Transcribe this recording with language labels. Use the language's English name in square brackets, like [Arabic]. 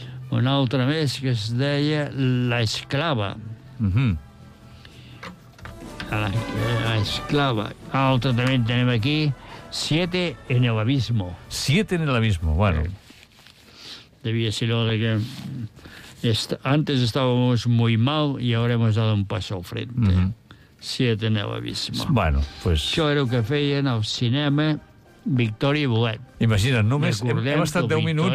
[Catalan] Una altra més que es deia La esclava. La esclava. Altra també en tenim aquí. [Spanish] Siete en el abismo. Siete en el abismo, bueno. [Catalan] Devia ser lo de que... [Spanish] Antes estábamos muy mal y ahora hemos dado un paso al frente. Siete en el abismo. Bueno, pues... [Catalan] Això era el que feien al cinema Victòria i Bolet. Imagina't, només hem estat 10 minuts.